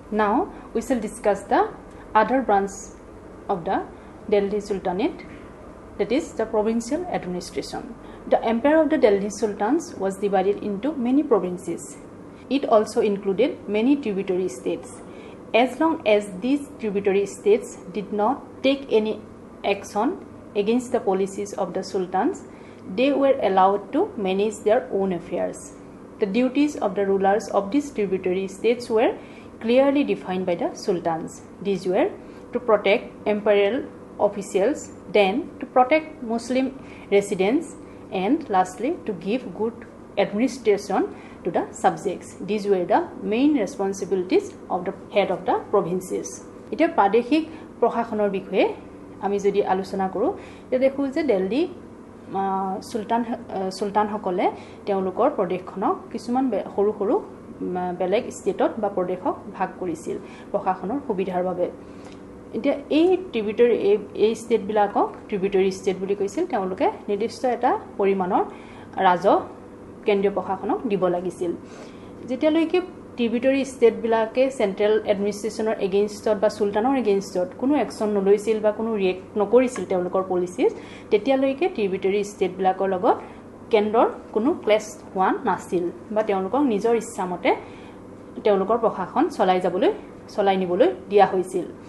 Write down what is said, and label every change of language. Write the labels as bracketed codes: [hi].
[en] Now we shall discuss the other branch of the Delhi sultanate, that is the provincial administration. The empire of the Delhi sultans was divided into many provinces, it also' included many tributary states. As long as these tributary states did not take any action against the policies of the sultans, they were allowed to manage their own affairs. The duties of the rulers of these tributary states were clearly defined by the sultans. These were to protect imperial officials, then to protect Muslim residents, and lastly to give good administration to the subjects. These were the main responsibilities of the head of the provinces. [as] Eta pradeshik prashasanor bikhoye ami jodi alochona koru je dekhu je Delhi sultan hokole teolukor pradeshkhono kisuman horu horu beleg state ba pradeshok bhag korisil prashasanor subidhar babe. Eta ei tributary ei state bilakok tributary state buli koisil teoluke nirdishto eta porimanor rajo কেন্দ্ৰীয় প্ৰশাসনক দিব লাগিছিল। যেতিয়ালৈকে tributary ষ্টেটবিলাকে central এডমিনিষ্ট্ৰেশ্যনৰ এগেইনষ্টত বা চুলতানৰ এগেইনষ্টত কোনো action নলৈছিল বা কোনো ৰিয়েক্ট নকৰিছিল তেওঁলোকৰ পলিচিজ, তেতিয়ালৈকে ট্ৰিবিউটৰী ষ্টেটবিলাকৰ লগত কেন্দ্ৰৰ কোনো ক্লেচ হোৱা নাছিল বা তেওঁলোকক নিজৰ ইচ্ছামতে তেওঁলোকৰ প্ৰশাসন চলাই নিবলৈ দিয়া হৈছিল।